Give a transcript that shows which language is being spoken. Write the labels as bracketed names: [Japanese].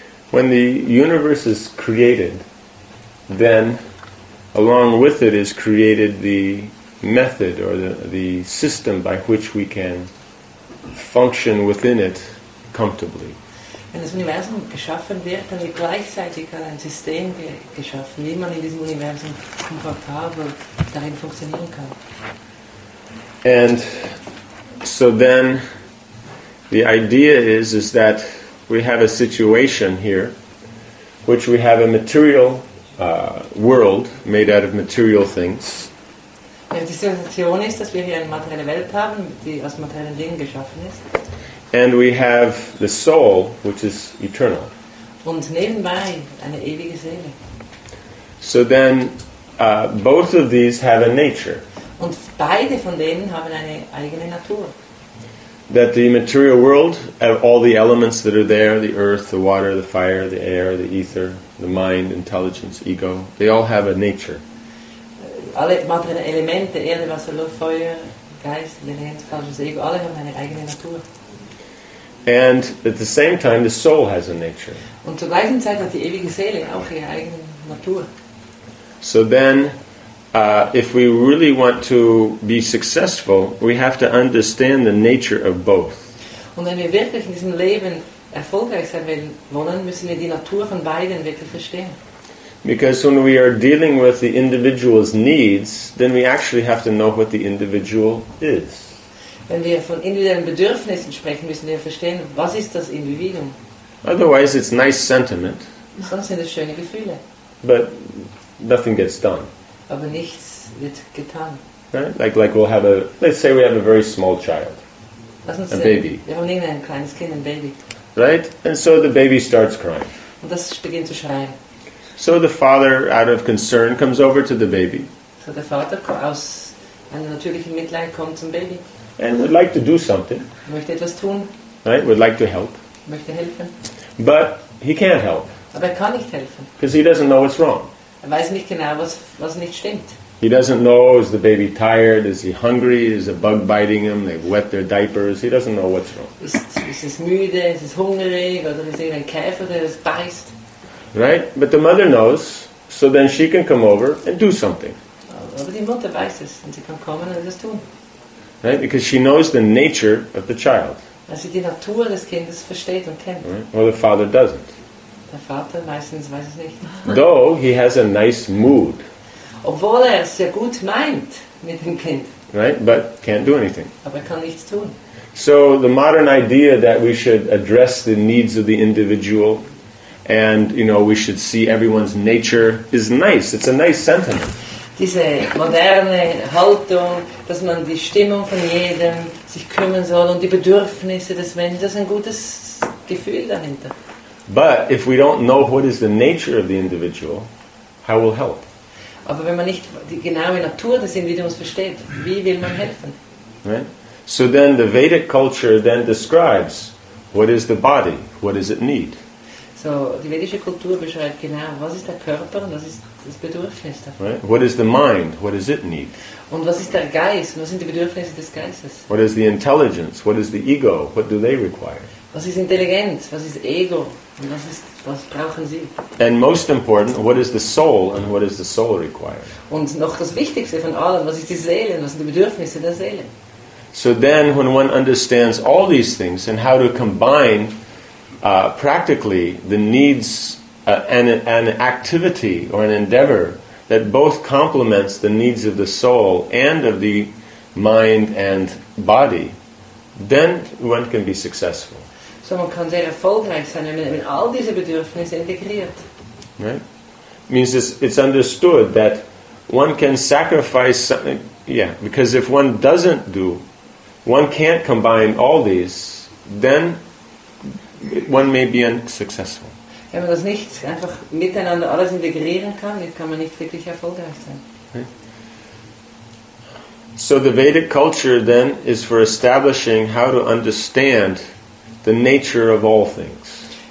[English] When the universe is created, then along with it is created the method or the system by which we can function within it comfortably. [German] Wenn das Universum geschaffen wird, dann wird gleichzeitig ein System geschaffen, wie man in diesem Universum komfortabel darin funktionieren kann. [English] And so then the idea is that we have a situation here which we have a material world made out of material things. [German] Ja, die Situation ist, dass wir hier eine materielle Welt haben, die aus materiellen Dingen geschaffen ist. [English] And we have the soul, which is eternal. [German] Und nebenbei eine ewige Seele. [English] So then both of these have a nature. [German] Und beide von denen haben eine eigene Natur. [English] That the material world, all the elements that are there, the earth, the water, the fire, the air, the ether, the mind, intelligence, ego, they all have a nature. [German] Alle materielle Elemente, Erde, Wasser, Luft, Feuer, Geist, intelligence, ego, alle haben eine eigene Natur. [English] And at the same time, the soul has a nature. [German] Und zur gleichen Zeit hat die ewige Seele auch ihre eigene Natur. [English] So then, if we really want to be successful, we have to understand the nature of both. [German] Und wenn wir wirklich in diesem Leben erfolgreich sein wollen, müssen wir die Natur von beiden wirklich verstehen. [English] Because when we are dealing with the individual's needs, then we actually have to know what the individual is. [German] Wenn wir von individuellen Bedürfnissen sprechen, müssen wir verstehen, was ist das Individuum. [English] Otherwise, it's nice sentiment. [German] Sonst sind es schöne Gefühle. [English] But nothing gets done. [German] Aber nichts wird getan. [English] Right? Like we'll have a, let's say we have a very small child. A baby. [German] Wir haben irgendein kleines Kind, ein Baby. [English] Right? And so the baby starts crying. [German] Und das beginnt zu schreien. [English] So the father, out of concern, comes over to the baby. [German] So der Vater aus einem natürlichen Mitleid kommt zum Baby. [English] And would like to do something. [German] Möchte etwas tun. [English] Right? Would like to help. [German] Möchte helfen. [English] But he can't help. [German] Aber er kann nicht helfen. [English] Because he doesn't know what's wrong. [German] Er weiß nicht genau, was nicht stimmt. [English] He doesn't know, is the baby tired? Is he hungry? Is a bug biting him? They've wet their diapers. He doesn't know what's wrong. [German] Ist es müde? Ist es hungrig? Oder ist irgendein Käfer, der es beißt? [English] Right? But the mother knows, so then she can come over and do something. [German] Aber die Mutter weiß es, und sie kann kommen und es tun. [English] Right? Because she knows the nature of the child. [German] Weil sie die Natur des Kindes versteht und kennt. [English] Right? Or the father doesn't. [German] Der Vater meistens weiß es nicht. [English] Though he has a nice mood. [German] Obwohl er es sehr gut meint mit dem Kind. [English] Right, but can't do anything. [German] Aber er kann nichts tun. [English] So the modern idea that we should address the needs of the individual and, you know, we should see everyone's nature is nice. It's a nice sentiment. [German] Diese moderne Haltung, dass man die Stimmung von jedem sich kümmern soll und die Bedürfnisse des Menschen, das ist ein gutes Gefühl dahinter. [English] But if we don't know what is the nature of the individual, how will help? [German] Aber wenn man nicht die genaue Natur des Individuums versteht, wie will man helfen? [English] Right? So then the Vedic culture then describes what is the body, what does it need? [German] So die vedische Kultur beschreibt genau, was ist der Körper und was ist das Bedürfnis davon? [English] Right? What is the mind, what does it need? [German] Und was ist der Geist und was sind die Bedürfnisse des Geistes? [English] What is the intelligence, what is the ego, what do they require? [German] Was ist Intelligenz? Was ist Ego? Und was brauchen Sie? [English] And most important, what is the soul and what does the soul require? [German] Und noch das Wichtigste von allem, was ist die Seele? Was sind die Bedürfnisse der Seele? [English] So then, when one understands all these things and how to combine practically the needs an activity or an endeavor that both complements the needs of the soul and of the mind and body, then one can be successful. [German] So man kann sehr erfolgreich sein, wenn man all diese Bedürfnisse integriert. [English] Right? Means it's understood that one can sacrifice something. Yeah, because if one doesn't do, one can't combine all these, then one may be unsuccessful. [German] Wenn man das nicht einfach miteinander alles integrieren kann, dann kann man nicht wirklich erfolgreich sein. [English] So the Vedic culture then is for establishing how to understand the nature of all things.